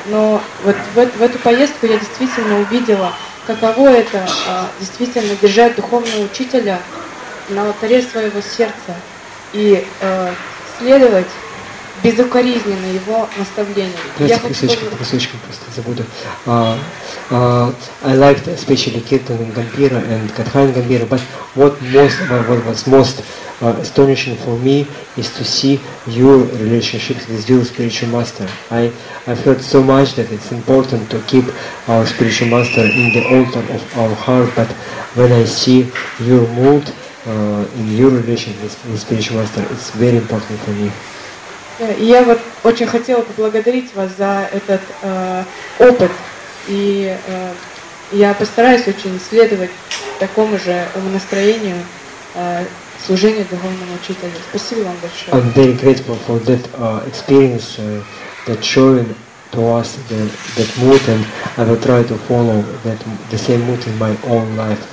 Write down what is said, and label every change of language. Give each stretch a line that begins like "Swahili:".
Russian: Но вот в эту поездку я действительно увидела, каково это действительно держать духовного учителя на алтаре своего сердца и следовать безукоризненно его наставлениям. Просто забуду.
English: I liked especially Kirtan in Gambira and Katha in Gambira, but what was most astonishing for me is to see your relationship with your spiritual master. I've heard so much that it's important to keep our spiritual master in the altar of our heart, but when I see your mood in your relationship with spiritual master, it's very important for me.
Russian: Я вот очень хотела поблагодарить вас за этот опыт. И я постараюсь очень следовать такому же настроению служения духовному учителю. Спасибо вам большое.
English: I'm very grateful for that experience that showing to us that mood, and I will try to follow the same mood in my own life.